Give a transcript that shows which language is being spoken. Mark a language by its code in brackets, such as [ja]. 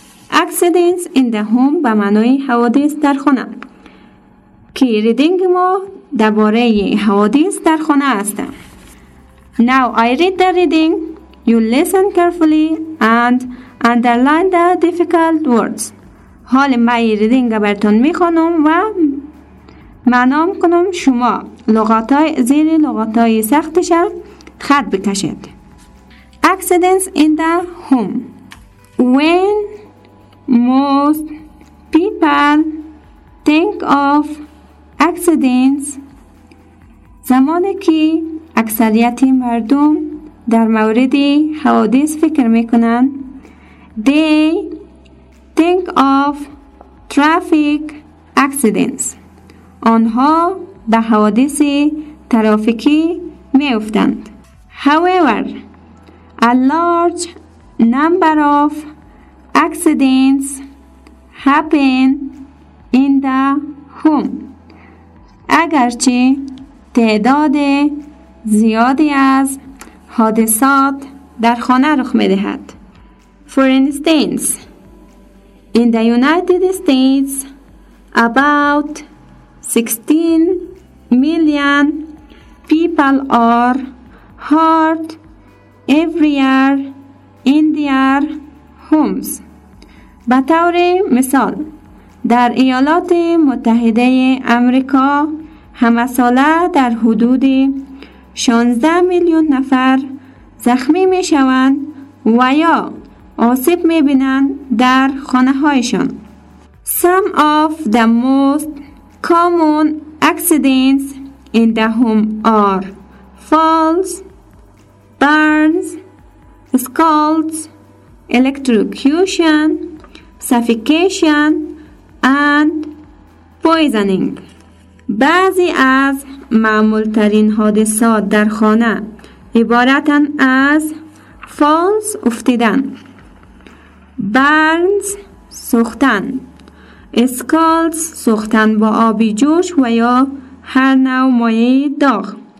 [en] Accidents in the home [fa] به معنای حوادث در خانه. که ریدینگ ما درباره حوادث در خانه هستم. [en] Now I read the reading. You listen carefully and underline the difficult words. [fa] حال من ریدینگ براتون میخونم و معنام کنم، شما لغتای زیر لغتای سختش خط بکشید. [en] Accidents in the home. When most people think of accidents, [fa] زمانی که اکثریت مردم در مورد حوادث فکر میکنند، [en] they think of traffic accidents. [fa] آنها به حوادث ترافیکی میفتند. [en] However, a large number of accidents happen in the home. [fa] اگرچه تعداد زیادی از حادثات در خانه رخ می‌دهد. [en] For instance, in the United States, about 16 million people are hurt every year in their homes. [fa] به طور مثال، در ایالات متحده آمریکا همساله در حدود 16 میلیون نفر زخمی می شوند و یا آسیب می بینند در خانه هایشان. [en] Some of the most common accidents in the home are falls, burns, scalds, electrocution, suffocation and poisoning. [fa] بعضی از معمولترین حادثات در خانه عبارتن از فالز افتیدن، برنز سوختن، اسکالز سوختن با آبی جوش و یا هر نوع مایع داغ،